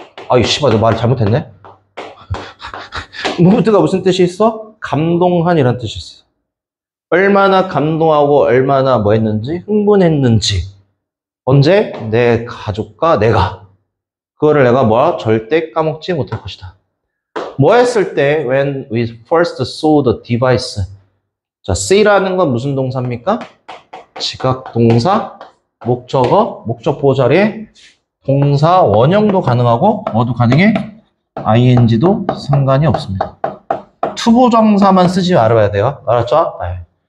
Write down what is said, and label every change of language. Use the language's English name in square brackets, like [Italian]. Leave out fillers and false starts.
[Korean] 아유, 씨발, 너 말 잘못했네. 무브드가 무슨 뜻이 있어? 감동한이란 뜻이 있어. 얼마나 감동하고 얼마나 뭐 했는지, 흥분했는지. 언제? 내 가족과 내가. 그거를 내가 뭐야? 절대 까먹지 못할 것이다. 뭐 했을 때? [English] When we first saw the device. [Korean] 자, see라는 건 무슨 동사입니까? 지각 동사, 목적어, 목적 보호 자리에 동사 원형도 가능하고 뭐도 가능해? ing도 상관이 없습니다. 투부정사만 쓰지 말아야 돼요. 알았죠? 네.